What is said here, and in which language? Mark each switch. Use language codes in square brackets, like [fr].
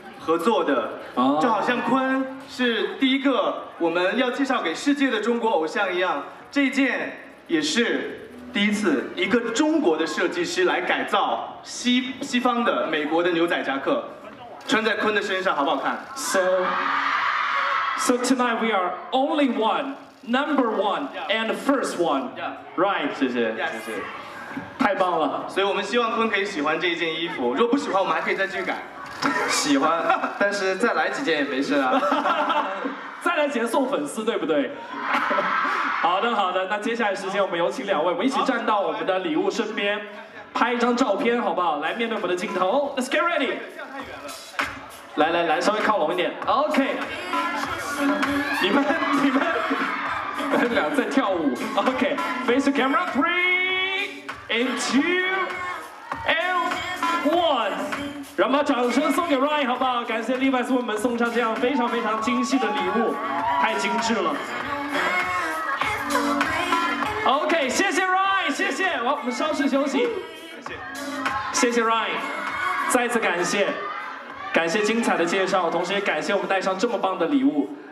[zh] 合作的，就好像坤是第一个我们要介绍给世界的中国偶像一样，这件也是第一次一个中国的设计师来改造西方的美国的牛仔夹克，穿在坤的身上好不好看？ [en] So tonight we are only one, number one and first one, right? [zh] 谢谢，谢谢，太棒了。所以我们希望坤可以喜欢这一件衣服，如果不喜欢，我们还可以再继续改。喜欢，但是再来几件也没事啊。再来几件送粉丝，对不对？好的，好的。那接下来时间，我们有请两位，我们一起站到我们的礼物身边，拍一张照片，好不好？来面对我们的镜头 ， [en] Let's get ready。 [zh] 来来来，稍微靠拢一点 ，OK。你们俩在跳舞 ，OK。 [en] Face camera three and two and one。 [zh] 让我们掌声送给 Ryan 好不好？感谢 Levi's 为我们送上这样非常非常精细的礼物，太精致了。 OK， 谢谢 Ryan， 谢谢。我们稍事休息。谢谢 Ryan， 再次感谢，感谢精彩的介绍，同时也感谢我们带上这么棒的礼物。